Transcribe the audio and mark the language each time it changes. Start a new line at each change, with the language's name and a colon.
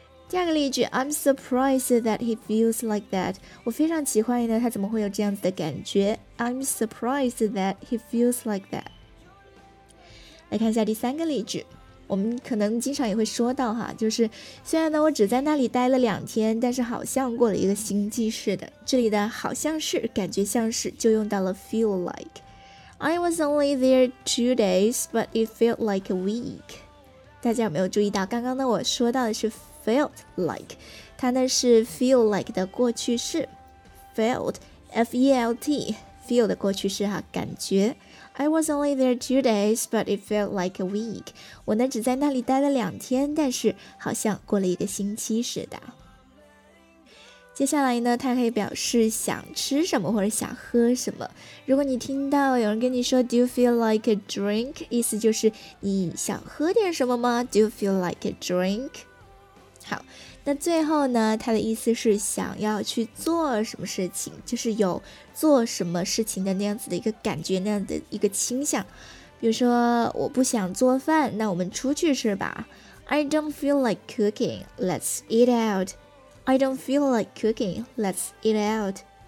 Chinese: 第二个例句
English: I'm surprised that he feels like that，
Chinese: 我非常奇怪呢他怎么会有这样子的感觉， I'm surprised that he feels like that。来看一下第三个例句，我们可能经常也会说到哈，就是虽然呢我只在那里待了两天，但是好像过了一个星期似的。这里的好像是感觉像是就用到了 feel like。
English: I was only there 2 days but it felt like a week。
Chinese: 大家有没有注意到刚刚呢我说到的是 felt like， 它呢是 feel like 的过去式， felt F-E-L-T feel 的过去式哈，感觉。
English: I was only there 2 days, but it felt like a week.
Chinese: 我呢只在那里待了两天，但是好像过了一个星期似的。接下来呢，它可以表示想吃什么或者想喝什么。如果你听到有人跟你说
English: Do you feel like a drink?
Chinese: 意思就是你想喝点什么吗？
English: Do you feel like a drink?
Chinese: 好，那最后呢，它的意思是想要去做什么事情，就是有做什么事情的那样子的一个感觉，那样的一个倾向。比如说我不想做饭，那我们出去吃吧。
English: I don't feel like cooking, let's eat out. I don't feel like cooking, let's eat out.